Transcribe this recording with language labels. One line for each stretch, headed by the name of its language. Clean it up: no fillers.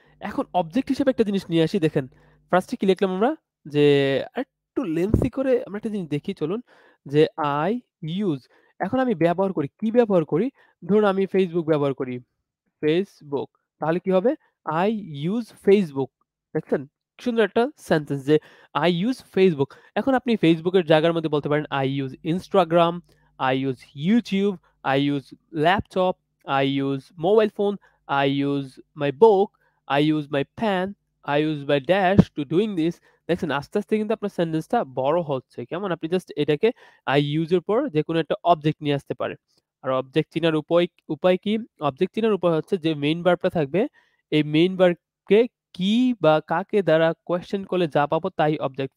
Bangla: এখন অবজেক্ট হিসেবে একটা জিনিস নিয়ে আসি, দেখেন ফার্স্টে কি লিখলাম আমরা, যে একটু লেন্থি করে আমরা একটা জিনিস দেখি চলুন, যে আই ইউজ। এখন আমি ব্যবহার করি, কি ব্যবহার করি? ধরুন আমি ফেসবুক ব্যবহার করি, ফেসবুক, তাহলে কি হবে?
English: I use Facebook.
Bangla: দেখছেন সুন্দর একটা সেন্টেন্স, যে
English: I use Facebook.
Bangla: এখন আপনি ফেসবুকের জায়গার মধ্যে বলতে পারেন
English: I use Instagram, I use YouTube, I use laptop, I use mobile phone, I use my book, I use my pen, I use my dash to doing this.
Bangla: দেখছেন আস্তে আস্তে কিন্তু আপনার সেন্টেন্সটা বড় হচ্ছে, কেমন? আপনি জাস্ট এটাকে আই ইউজের পর যে কোনো একটা অবজেক্ট নিয়ে আসতে পারে। আর অবজেক্ট চিনার উপায় কি? অবজেক্ট চিনার উপায় হচ্ছে যে মেইন ভার্বটা থাকবে, এই মেইন ভার্বকে কি বা কাকে দ্বারা কোয়েশ্চেন করলে যা পাবো তাই অবজেক্ট।